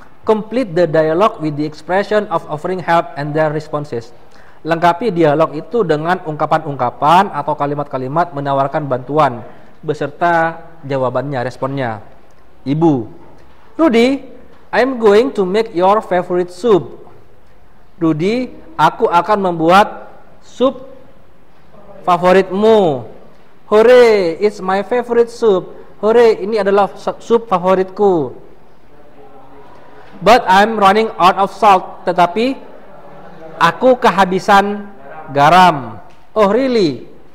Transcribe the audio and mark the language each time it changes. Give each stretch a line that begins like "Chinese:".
English: Complete the dialogue with the expression of offering help and their responses.
Indonesian: Lengkapi dialog itu dengan ungkapan-ungkapan atau kalimat-kalimat menawarkan bantuan beserta jawabannya, responnya.
English: Ibu, Rudy, I'm going to make your favorite soup.
Indonesian: Rudy, aku akan membuat sup favoritmu.
English: Hore, it's my favorite soup.
Indonesian: Hore, ini adalah sup favoritku.
English: But I'm running out of salt.
Indonesian: Tetapi aku kehabisan garam.
English: Oh, really?